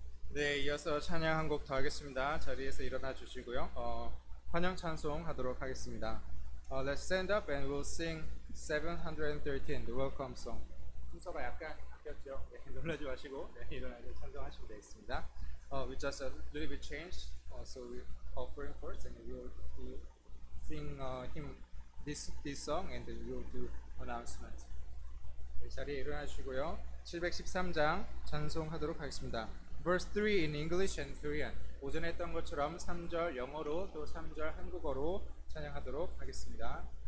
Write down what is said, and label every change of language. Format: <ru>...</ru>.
<ko>네, 이어서 찬양 한 곡 더 하겠습니다. 자리에서 일어나 주시고요. 환영 찬송 하도록 하겠습니다.</ko> <en>Let's stand up and we'll sing 713, the welcome song.</en> <ko>순서가 약간 바뀌었죠? 네, 놀라지 마시고 네, 일어나서 찬송하시면 되겠습니다.</ko> <en>We just a little bit changed, so we're offering first and we'll do sing this song and then we'll do announcement.</en> <ko>네, 자리에 일어나 주시고요. 713장 찬송하도록 하겠습니다.</ko> <en>Verse 3 in English and Korean.</en> <ko>오전에 했던 것처럼 3절 영어로 또 3절 한국어로 찬양하도록 하겠습니다.</ko>